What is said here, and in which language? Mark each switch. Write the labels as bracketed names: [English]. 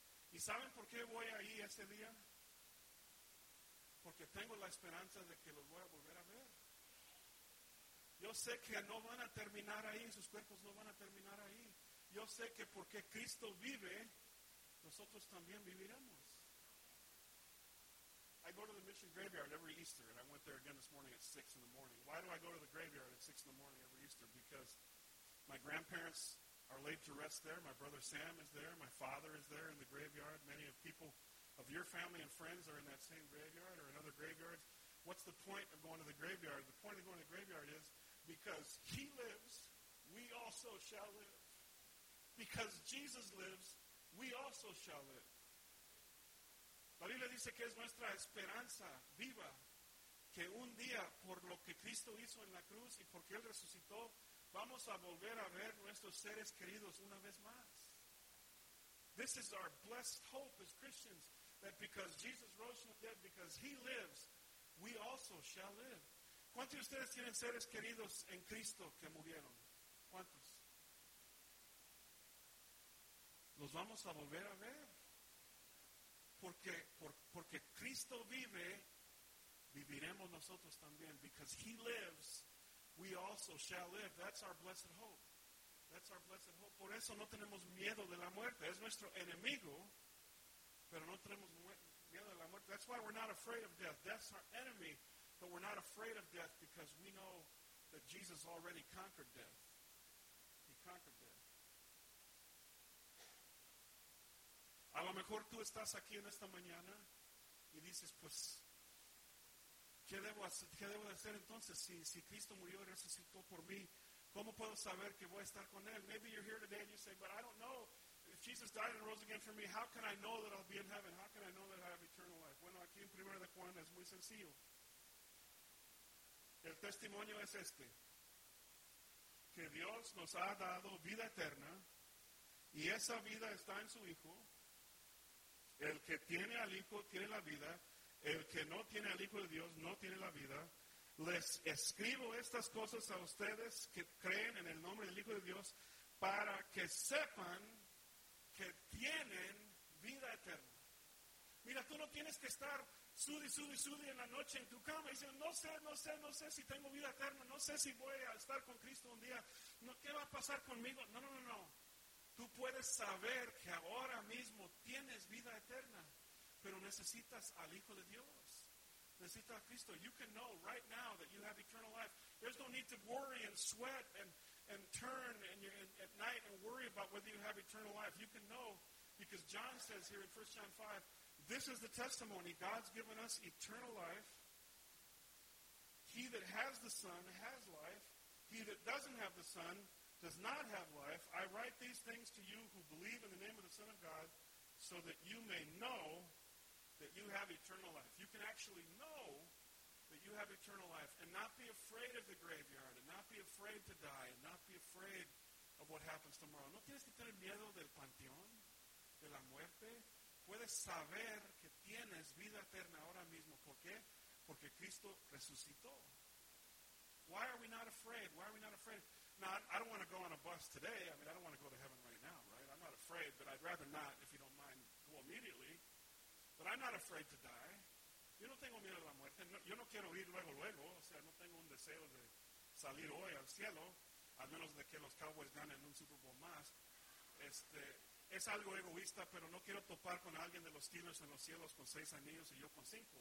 [Spanish] ¿Y saben por qué voy ahí ese día? Porque tengo la esperanza de que los voy a volver a ver. Yo sé que no van a terminar ahí, sus cuerpos no van a terminar ahí. Yo sé que porque Cristo vive, nosotros también viviremos. [English] I go to the Mission Graveyard every Easter, and I went there again this morning at 6 in the morning. Why do I go to the graveyard at 6 in the morning every Easter? Because my grandparents are laid to rest there. My brother Sam is there. My father is there in the graveyard. Many of people of your family and friends are in that same graveyard or in other graveyards. What's the point of going to the graveyard? The point of going to the graveyard is because he lives, we also shall live. Because Jesus lives, we also shall live. [Spanish] La Biblia dice que es nuestra esperanza viva que un día, por lo que Cristo hizo en la cruz y porque Él resucitó, vamos a volver a ver nuestros seres queridos una vez más. [English] This is our blessed hope as Christians, that because Jesus rose from the dead, because He lives, we also shall live. [Spanish] ¿Cuántos de ustedes tienen seres queridos en Cristo que murieron? ¿Cuántos? Los vamos a volver a ver. Porque Cristo vive, viviremos nosotros también. [English] Because He lives, we also shall live. That's our blessed hope. That's our blessed hope. [Spanish] Por eso no tenemos miedo de la muerte. Es nuestro enemigo, pero no tenemos miedo de la muerte. [English] That's why we're not afraid of death. Death's our enemy, but we're not afraid of death because we know that Jesus already conquered death. He conquered death. [Spanish] A lo mejor tú estás aquí en esta mañana y dices, pues, ¿qué debo hacer entonces si Cristo murió y resucitó por mí? ¿Cómo puedo saber que voy a estar con Él? [English] Maybe you're here today and you say, but I don't know. If Jesus died and rose again for me, how can I know that I'll be in heaven? How can I know that I have eternal life? [Spanish] Bueno, aquí en Primera de Juan es muy sencillo. El testimonio es este. Que Dios nos ha dado vida eterna y esa vida está en su Hijo. El que tiene al Hijo tiene la vida. El que no tiene al Hijo de Dios no tiene la vida. Les escribo estas cosas a ustedes que creen en el nombre del Hijo de Dios para que sepan que tienen vida eterna. Mira, tú no tienes que estar sudi en la noche en tu cama diciendo, no sé si tengo vida eterna, no sé si voy a estar con Cristo un día, no, ¿qué va a pasar conmigo? No. Tú puedes saber que ahora mismo tienes vida eterna, pero necesitas al Hijo de Dios. Necesita a Cristo. [English] You can know right now that you have eternal life. There's no need to worry and sweat and turn at night and worry about whether you have eternal life. You can know because John says here in 1 John 5, this is the testimony. God's given us eternal life. He that has the Son has life. He that doesn't have the Son does not have life. I write these things to you who believe in the name of the Son of God so that you may know that you have eternal life. You can actually know that you have eternal life and not be afraid of the graveyard and not be afraid to die and not be afraid of what happens tomorrow. [Spanish] No tienes que tener miedo del panteón, de la muerte. Puedes saber que tienes vida eterna ahora mismo. ¿Por qué? Porque Cristo resucitó. [English] Why are we not afraid? Why are we not afraid? Now, I don't want to go on a bus today. I mean, I don't want to go to heaven right now, right? I'm not afraid, but I'd rather not, if you don't mind, go immediately. But I'm not afraid to die. [Spanish] Yo no tengo miedo a la muerte. No, yo no quiero ir luego. O sea, no tengo un deseo de salir hoy al cielo, al menos de que los Cowboys ganen un Super Bowl más. Es algo egoísta, pero no quiero topar con alguien de los Steelers en los cielos con 6 anillos y yo con 5.